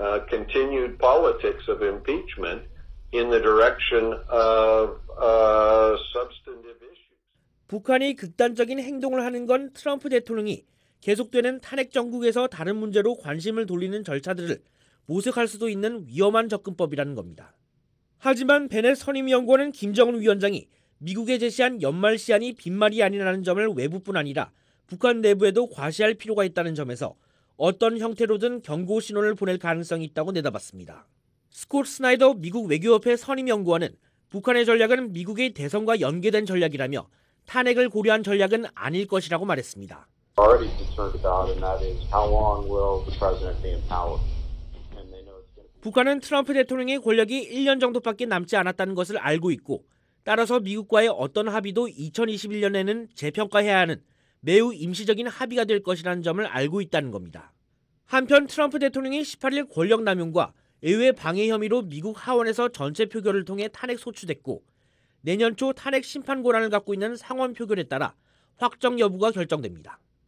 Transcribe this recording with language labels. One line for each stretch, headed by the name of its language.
English: Continued politics of impeachment in the direction of substantive issues.
Korean: 북한이 극단적인 행동을 하는 건 트럼프 대통령이 계속되는 탄핵 정국에서 다른 문제로 관심을 돌리는 절차들을 모색할 수도 있는 위험한 접근법이라는 겁니다. 하지만 베넷 선임연구원은 김정은 위원장이 미국에 제시한 연말 시한이 빈말이 아니라는 점을 외부뿐 아니라 북한 내부에도 과시할 필요가 있다는 점에서 어떤 형태로든 경고 신호를 보낼 가능성이 있다고 내다봤습니다. 스콧 스나이더 미국 외교협회 선임연구원은 북한의 전략은 미국의 대선과 연계된 전략이라며 탄핵을 고려한 전략은 아닐 것이라고 말했습니다.
English: Already concerned about, and that is how long will the president be in power?
Korean: 북한은 트럼프 대통령의 권력이 1년 정도밖에 남지 않았다는 것을 알고 있고 따라서 미국과의 어떤 합의도 2021년에는 재평가해야 하는 매우 임시적인 합의가 될 것이라는 점을 알고 있다는 겁니다. 한편 트럼프 대통령이 18일 권력 남용과 의회 방해 혐의로 미국 하원에서 전체 표결을 통해 탄핵 소추됐고 내년 초 탄핵 심판 권한을 갖고 있는 상원 표결에 따라 확정 여부가 결정됩니다.